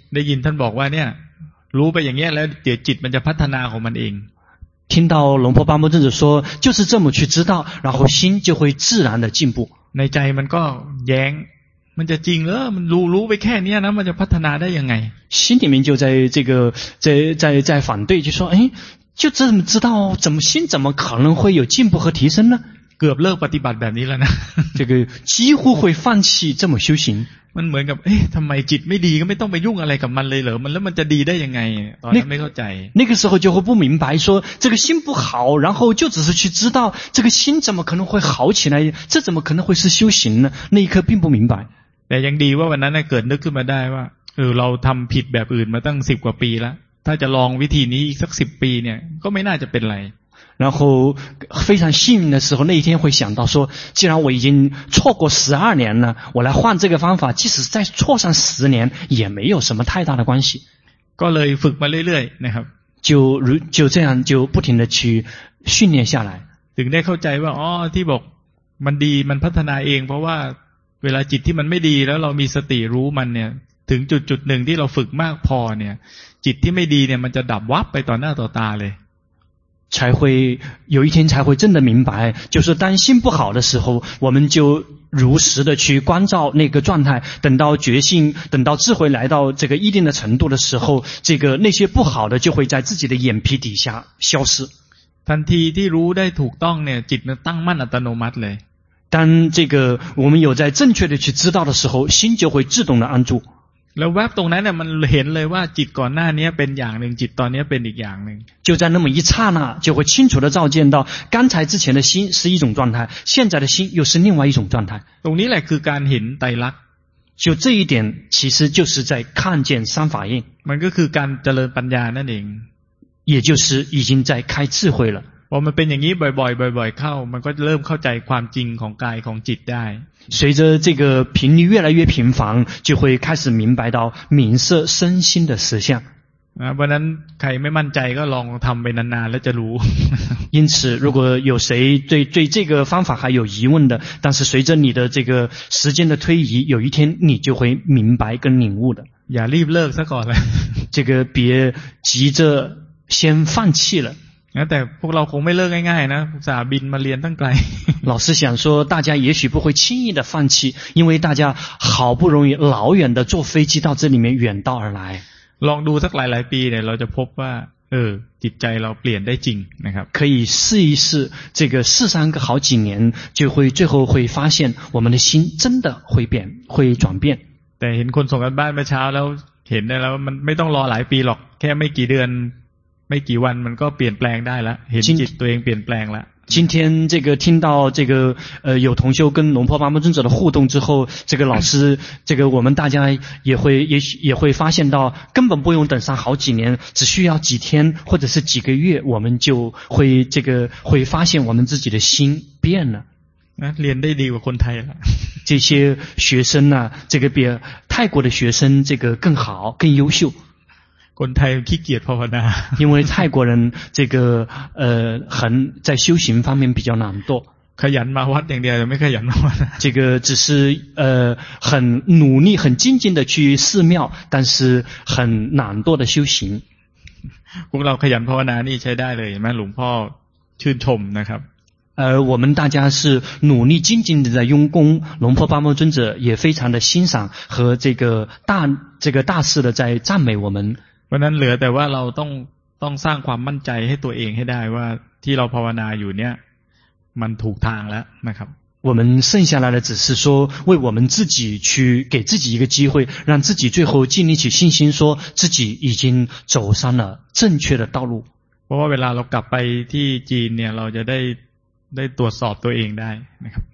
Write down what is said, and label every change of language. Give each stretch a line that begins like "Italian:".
Thai: ได้ยินท่านบอกว่าเนี่ยรู้ไปอย่างนี้แล้วเดี๋ยวจิตมันจะพัฒนาของมันเอง
Chinese: 听到龙婆巴木正者说就是这么去知道然后心就会自然的进步
Thai: ในใจมันก็แย้งมันจะจริงเหรอมันรู้ไปแค่นี้นะมันจะพัฒนาได้ยังไง
Chinese: 心里面就在这个在反对就说哎就这么知道怎么心怎么可能会有进步和提升呢
Thai: เกือบเลิกปฏิบัติแบบนี้แล้วนะ
Chinese: 这个几乎会放弃这么修行
Thai: มันเหมือนกับเอ๊ะทำไมจิตไม่ดีก็ไม่ต้องไปยุ่งอะไรกับมันเลยเหรอมันแล้วมันจะดีได้ยังไงตอนนั้นไม่เข้าใจ
Chinese: 那个时候就会不明白说这个心不好然后就只是去知道这个心怎么可能会好起来这怎么可能会是修行呢那一刻并不明白
Thai: แต่ยังดีว่าวันนั้นเกิดนึกขึ้นมาได้ว่าเราทำผิดแบบอื่นมาตั้ง10กว่าปีแล้วถ้าจะลองวิธีนี้อีกสัก10ปีเนี่ยก็ไม่น่าจะเป็นไร
Chinese: 然后非常幸运的时候那一天会想到说既然我已经错过12年了我来换这个方法即使再错上10年也没有什么太大的关系
Thai: ก็เลยฝึกมาเรื่อยๆนะครับ
Chinese: 就这样就不停的去训练下来
Thai: ถึงได้เข้าใจว่าอ๋อที่บอกมันดีมันพัฒนาเองเพราะว่าเวลาจิตที่มันไม่ดีแล้วเรามีสติรู้มันเนี่ยถึงจุดๆหนึ่งที่เราฝึกมากพอเนี่ยจิตที่ไม่ดีเนี่ยมันจะดับวับไปต่อหน้าต่อตาเลย
Chinese: 才会有一天才会真的明白就是当心不好的时候我们就如实的去关照那个状态等到觉性等到智慧来到这个一定的程度的时候这个那些不好的就会在自己的眼皮底下消失
Thai: ทันทีที่รู้ได้ถูกต้องเนี่ยจิตมันตั้งมั่นอัตโนมัติเลย
Chinese: 当这个我们有在正确的去知道的时候心就会自动的安住
Thai: แล้วแวบตรงนั้นเนี่ยมันเห็นเลยว่าจิตก่อนหน้านี้เป็นอย่างหนึ่งจิตตอนนี้เป็นอีกอย่างหนึ่ง
Chinese: 就在那么一刹那就会清楚的照见到刚才之前的心是一种状态现在的心又是另外一种状态
Thai: ตรงนี้แหละคือการเห็นไตรลักษณ์
Chinese: 就这一点其实就是在看见三法印
Thai: มันก็คือการเจริญปัญญานั่นเอง
Chinese: 也就是已经在开智慧了
Thai: พอมันเป็นอย่างนี้บ่อยๆบ่อยๆเข้ามันก็เริ่มเข้าใจความจริงของกายของจิตได้
Chinese: 随着这个频率越来越频繁就会开始明白到明色身心的实相
Thai: เพราะนั้นใครไม่มั่นใจก็ลองทำไปนานๆแล้วจะรู้
Chinese: 因此如果有谁对这个方法还有疑问的但是随着你的这个时间的推移有一天你就会明白跟领悟的
Thai: อย่ารีบเลิกซะก่อนเลย
Chinese: 这个别急着先放弃了
Thai: แต่พวกเราคงไม่เลิกง่ายๆนะสาบินมาเรียนตั้งไกล
Chinese: 老师想说大家也许不会轻易的放弃因为大家好不容易老远的坐飞机到这里面远道而来
Thai: ลองดูสักหลายๆปีเนี่ยเราจะพบว่าจิตใจเราเปลี่ยนได้จริงนะครับ
Chinese: 可以试一试这个试上个好几年就会最后会发现我们的心真的会变会转变
Thai: แต่เห็นคนส่งกันบ้านมาเช้าแล้วเห็นได้แล้วมันไม่ต้องรอหลายปีหรอกแค่ไม่กี่เดือนไม่กี่วันมันก็เปลี่ยนแปลงได้ละเห็นจิตตัวเองเปลี่ยนแปลงละ
Chinese: 今天这个听到这个有同修跟龙婆妈妈尊者的互动之后这个老师这个我们大家也会发现到根本不用等上好几年只需要几天或者是几个月我们就会这个会发现我们自己的心变了
Thai: เรียนได้ดีกว่าคนไทยละ
Chinese: 这些学生呢这个比泰国的学生这个更好更优秀
Thai: คนไทยขี้เกียจภาวนา
Chinese: 因为泰国人这个很在修行方面比较懒惰
Thai: ขยันมาวัดอย่างเดียวไม่ขยันมาวัด
Chinese: 这个只是很努力很精进的去寺庙但是很懒惰的修行
Thai: พวกเราขยันภาวนานี่ใช้ได้เลยเห็นไหมหลวงพ่อชื่นชมนะครับ
Chinese: 我们大家是努力精进的在用功龙婆巴摩尊者也非常的欣赏和这个大肆的在赞美我们
Thai: เพราะนั้นเหลือแต่ว่าเราต้องสร้างความมั่นใจให้ตัวเองให้ได้ว่าที่เราภาวนาอยู่เนี่ยมันถูกทางแล้วนะครับ
Chinese: 我们剩下来的只是说为我们自己去给自己一个机会让自己最后建立起信心说自己已经走上了正确的道路
Thai: เพราะว่าเวลาเรากลับไปที่จีนเนี่ยเราจะได้ตรวจสอบตัวเองได้นะครับ